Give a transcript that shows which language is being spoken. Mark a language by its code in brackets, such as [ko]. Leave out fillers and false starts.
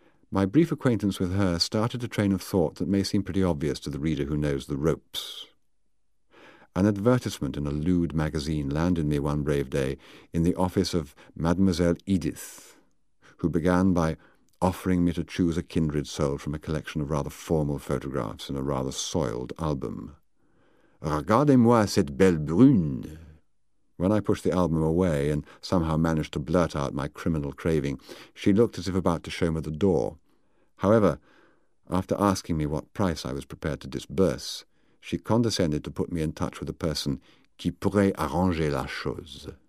[en] My brief acquaintance with her started a train of thought that may seem pretty obvious to the reader who knows the ropes. An advertisement in a lewd magazine landed me one brave day in the office of Mademoiselle Edith, who began by offering me to choose a kindred soul from a collection of rather formal photographs in a rather soiled album. [fr] Regardez-moi cette belle brune! [en] When I pushed the album away and somehow managed to blurt out my criminal craving, she looked as if about to show me the door. However, after asking me what price I was prepared to disburse, she condescended to put me in touch with a person [fr] qui pourrait arranger la chose.